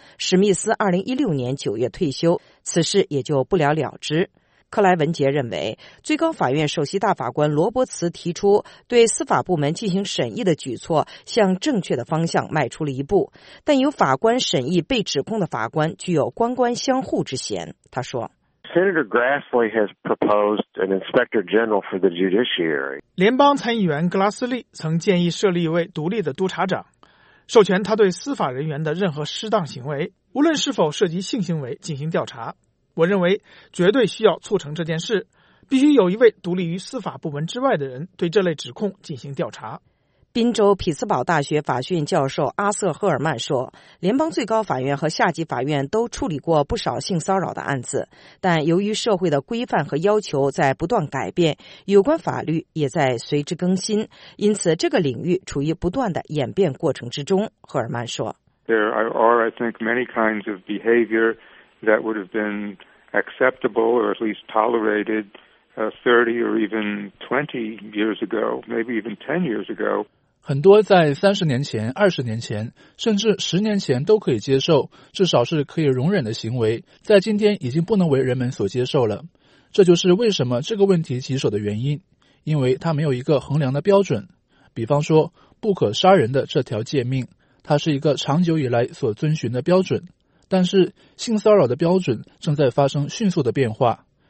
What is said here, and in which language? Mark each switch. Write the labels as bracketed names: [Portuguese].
[Chinese] 史密斯2016年9月退休，此事也就不了了之。克莱文杰认为，最高法院首席大法官罗伯茨提出对司法部门进行审议的举措向正确的方向迈出了一步，但由法官审议被指控的法官具有官官相护之嫌。他说， [English] Senator Grassley has proposed an inspector general for the judiciary. [Chinese] 联邦参议员格拉斯利曾建议设立一位独立的督察长，授权他对司法人员的任何失当行为，无论是否涉及性行为进行调查。我认为绝对需要促成这件事，必须有一位独立于司法部门之外的人对这类指控进行调查。宾州匹兹堡大学法学院教授阿瑟·赫尔曼说，联邦最高法院和下级法院都处理过不少性骚扰的案子，但由于社会的规范和要求在不断改变，有关法律也在随之更新，因此这个领域处于不断的演变过程之中。赫尔曼说， [English] There are, I think, many kinds of behavior that would have been acceptable or at least tolerated 30 or even 20 years ago, maybe even 10 years ago. [Chinese] 很多在30年前、20年前、甚至10年前都可以接受，至少是可以容忍的行为，在今天已经不能为人们所接受了。这就是为什么这个问题棘手的原因，因为它没有一个衡量的标准。比方说，不可杀人的这条诫命，它是一个长久以来所遵循的标准，但是性骚扰的标准正在发生迅速的变化。